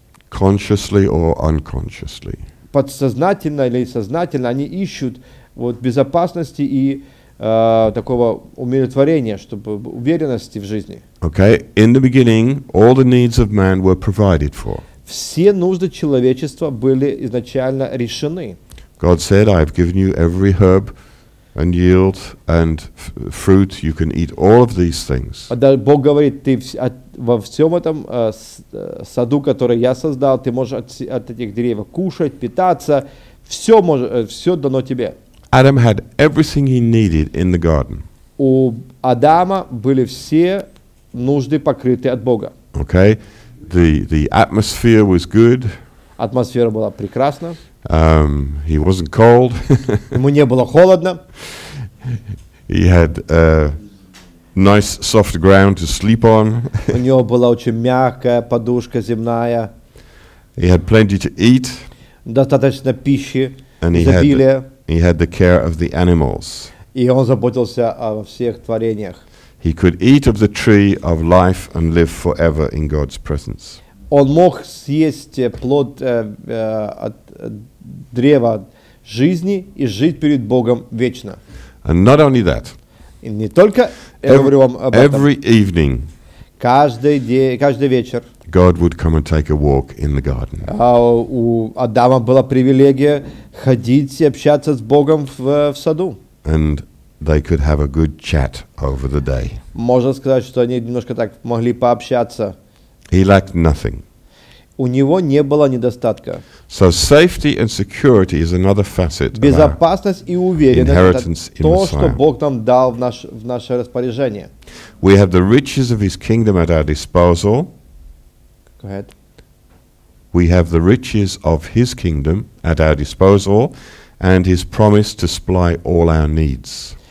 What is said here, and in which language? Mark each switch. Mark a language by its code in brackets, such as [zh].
[en] Consciously or unconsciously. [ru] Подсознательно или сознательно они ищут вот безопасности и такого умиротворения, чтобы уверенности в жизни. [en] Okay, in the beginning, all the needs of man were provided for. [ru] Все нужды человечества были изначально решены. [en] God said, "I have given you every herb and yield and fruit. You can eat all of these things." [ru] Бог говорит, ты во всем этом саду, который я создал, ты можешь от этих деревьев кушать, питаться, все дано тебе. [en] Adam had everything he needed in the garden. [ru] У Адама были все нужды покрыты от Бога. [en] Okay, the atmosphere was good. [ru] Атмосфера была прекрасна. [en] He wasn't cold. [ru] Ему не было холодно. [en] He had nice soft ground to sleep on. [ru] У него была очень мягкая подушка земная. [en] He had plenty to eat. [ru] Достаточно пищи, изобилия. [en] He had the care of the animals. [ru] И он заботился о всех творениях. [en] He could eat of the tree of life and live forever in God's presence. [ru] Он мог съесть плод от древа жизни и жить перед Богом вечно. [en] And not only that. [ru] И не только, я говорю вам об этом. [en] Every evening. [ru] каждый вечер. [en] God would come and take a walk in the garden. [ru] А у Адама была привилегия ходить и общаться с Богом в саду. [en] And they could have a good chat over the day. [ru] Можно сказать, что они немножко так могли пообщаться. [en] He lacked nothing. [ru] У него не было недостатка. [en] So safety and security is another facet. [ru] Безопасность и уверенность — [en] inheritance [ru] это то, что Бог нам дал в наше распоряжение. [en] We have the riches of His kingdom at our disposal. Go ahead. We have the riches of His kingdom at our disposal, and His promise to supply all our needs.